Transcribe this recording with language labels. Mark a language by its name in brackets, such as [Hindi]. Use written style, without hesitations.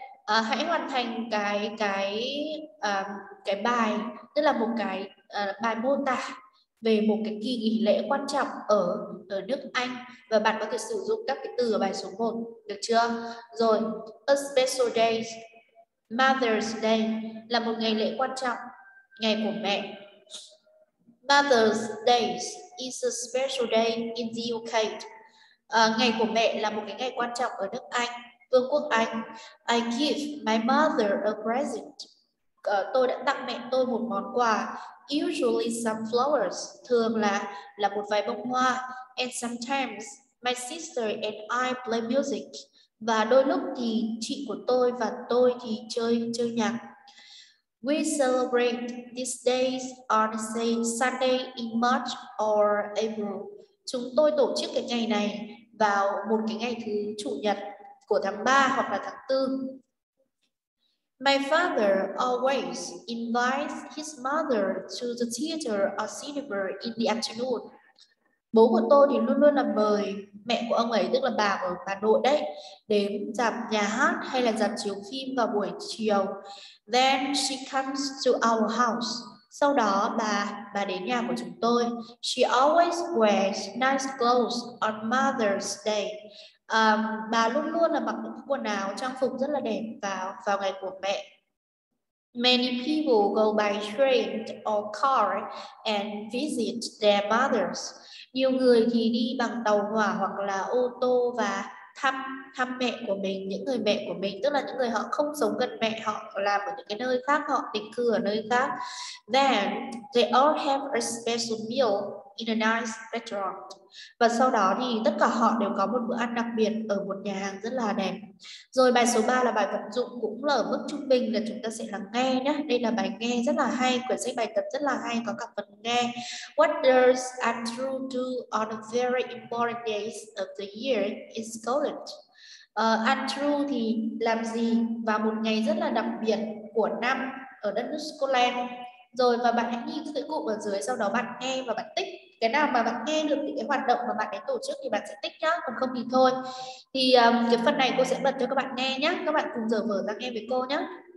[Vietnamese] Hãy hoàn thành cái bài, tức là một cái bài mô tả về một cái kỳ nghỉ lễ quan trọng ở nước Anh, và bạn có thể sử dụng các cái từ ở bài số 1, được chưa? Rồi, [English] a special day, [Vietnamese] Mother's Day là một ngày lễ quan trọng, ngày của mẹ. [English] Mother's Day is a special day in the UK. [Vietnamese] Ngày của mẹ là một cái ngày quan trọng ở nước Anh, Vương quốc Anh. [English] I give my mother a present. [Vietnamese] Tôi đã tặng mẹ tôi một món quà, [English] usually some flowers, [Vietnamese] thường là một vài bông hoa. [English] And sometimes my sister and I play music, [Vietnamese] và đôi lúc thì chị của tôi và tôi thì chơi nhạc. [English] We celebrate these days on say Sunday in March or April. [Vietnamese] Chúng tôi tổ chức cái ngày này vào một cái ngày thứ chủ nhật của tháng 3 hoặc là tháng 4. [English] My father always invites his mother to the theater or cinema in the afternoon. [Vietnamese] Bố của tôi thì luôn luôn là mời mẹ của ông ấy, tức là bà ở Hà Nội đấy, đến rạp nhà hát hay là rạp chiếu phim vào buổi chiều. [English] Then she comes to our house. [Vietnamese] Sau đó bà đến nhà của chúng tôi. [English] She always wears nice clothes on Mother's Day. [Vietnamese] Bà luôn luôn là mặc những quần áo trang phục rất là đẹp vào ngày của mẹ. [English] Many people go by train or car and visit their mothers. [Vietnamese] Nhiều người thì đi bằng tàu hỏa hoặc là ô tô và thăm mẹ của mình, những người mẹ của mình, tức là những người họ không sống gần mẹ, họ làm ở những cái nơi khác, họ định cư ở nơi khác. [English] Then they all have a special meal in a nice restaurant. [Vietnamese] Và sau đó thì tất cả họ đều có một bữa ăn đặc biệt ở một nhà hàng rất là đẹp. Rồi bài số 3 là bài vận dụng, cũng là ở mức trung bình, là chúng ta sẽ lắng nghe nhé. Đây là bài nghe rất là hay, quyển sách bài tập rất là hay, có cả phần nghe. [English] What does Andrew do on a very important days of the year in Scotland? [Vietnamese] Andrew thì làm gì vào một ngày rất là đặc biệt của năm ở đất nước Scotland? Rồi và bạn hãy nhìn cái cụm ở dưới, sau đó bạn nghe và bạn tích cái nào mà bạn nghe được những cái hoạt động mà bạn ấy tổ chức thì bạn sẽ tích nhá, còn không thì thôi. Thì cái phần này cô sẽ bật cho các bạn nghe nhá, các bạn cùng giờ mở ra nghe với cô nhá.